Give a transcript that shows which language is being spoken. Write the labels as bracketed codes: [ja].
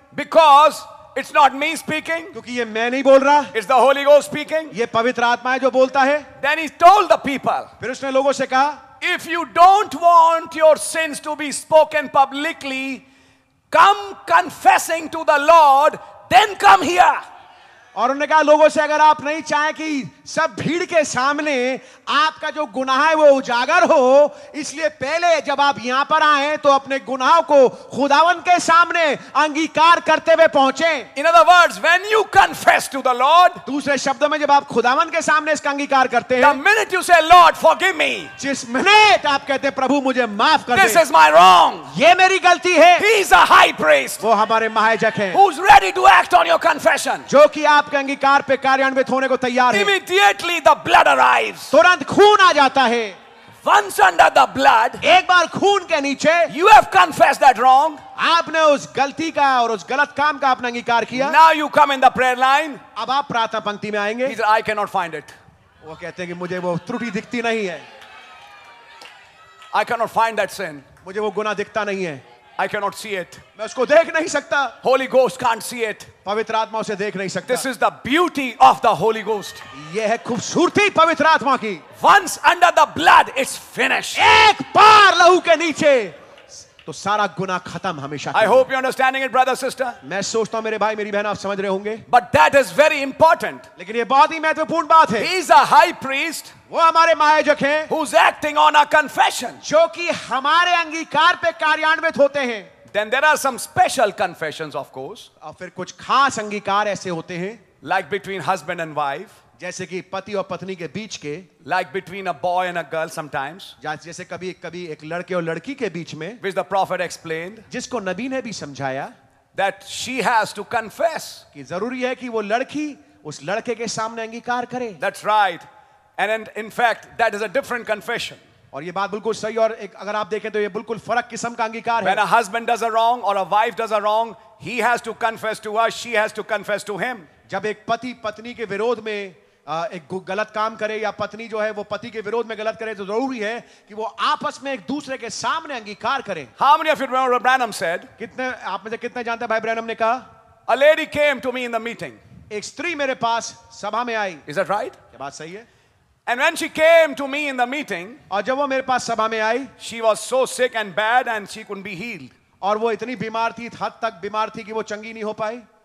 [en] Because it's not me speaking, [hi] क्योंकि ये मैं नहीं बोल रहा, [en] it's the Holy Ghost speaking, [hi] ये पवित्र आत्मा है जो बोलता है। [en] Then he told the people, [hi] फिर उसने लोगों से कहा, [en] if you don't want your sins to be spoken publicly, come confessing to the Lord. Then come here. [hi] और उन्होंने कहा लोगों से अगर आप नहीं चाहें कि सब भीड़ के सामने आपका जो गुनाह है वो उजागर हो, इसलिए पहले जब आप यहां पर आए तो अपने गुनाह को खुदावन के सामने अंगीकार करते हुए पहुंचे। [en] In other words, when you confess to the Lord, [hi] दूसरे शब्दों में जब आप खुदावन के सामने इसका अंगीकार करते हैं, [en] the minute you say, Lord, forgive me, [hi] जिस मिनट आप कहते हैं प्रभु मुझे माफ कर दे, [en] this is my wrong, [hi] ये मेरी गलती है, [en] he is a high priest, [hi] वो हमारे महायाजक हैं, [en] who's ready to act on your confession, [hi] जो कि आपके अंगीकार पे कार्यान्वित होने को तैयार है। [en] Immediately the blood arrives. [hi] तुरंत खून आ जाता है। [en] Once under the blood, [hi] एक बार खून के नीचे, [en] you have confessed that wrong. [hi] आपने उस गलती का और उस गलत काम का आपने अंगीकार किया। [en] Now you come in the prayer line. [hi] अब आप प्रार्थना पंक्ति में आएंगे। [en] He said, I cannot find it. [hi] वो कहते हैं कि मुझे वो त्रुटि दिखती नहीं है। [en] I cannot find that sin. [hi] मुझे वो गुनाह दिखता नहीं है। [en] I cannot see it. [hi] मैं उसको देख नहीं सकता। [en] Holy Ghost can't see it. [hi] पवित्र आत्मा उसे देख नहीं सकता। [en] This is the beauty of the Holy Ghost. [hi] यह है खूबसूरती पवित्र आत्मा की। [en] Once under the blood, it's finished. [hi] एक बार लहू के नीचे तो सारा गुना खत्म हमेशा। [en] I hope you're understanding it, brother, sister. [hi] मैं सोचता हूं मेरे भाई मेरी बहन आप समझ रहे होंगे। [en] But that is very important. [hi] लेकिन यह बहुत ही महत्वपूर्ण बात है। [en] He's a high priest. [hi] वो हमारे महायाजक हैं। [en] Who's acting on our confession. [hi] जो कि हमारे अंगीकार पे कार्यान्वित होते हैं। [en] Then there are some special confessions, of course. [hi] और फिर कुछ खास अंगीकार ऐसे होते हैं। [en] Like between husband and wife. [hi] जैसे कि पति और पत्नी के बीच के। [en] Like between a boy and a girl sometimes. [hi] जैसे कभी कभी एक लड़के और लड़की के बीच में। [en] Which the prophet explained. [hi] जिसको नबी ने भी समझाया। [en] That she has to confess. [hi] कि जरूरी है कि वो लड़की उस लड़के के सामने अंगीकार करे। [en] That's right. And in fact, that is a different confession. [hi] और ये बात बिल्कुल सही और अगर आप देखें तो ये बिल्कुल फर्क किस्म का अंगीकार है। [en] When a husband does a wrong or a wife does a wrong, he has to confess to her, she has to confess to him. [hi] जब एक पति पत्नी के विरोध में एक गलत काम करे या पत्नी जो है वो पति के विरोध में गलत करे तो जरूरी है कि वो आपस में एक दूसरे के सामने अंगीकार करें। [en] How many of you remember Branham said? [hi] कितने आप में से कितने जानते हैं भाई ब्रैनम ने कहा? [en] A lady came to me in the meeting. [hi] एक स्त्री मेरे पास सभा में आई। [en] Is that right? [hi] ये बात सही है। [en] And when she came to me in the meeting, [hi] और जब वो मेरे पास सभा में आई, [en] she was so sick and bad and she couldn't be healed. [hi] और वो इतनी बीमार थी, हद तक बीमार थी कि वो चंगी नहीं हो पाई.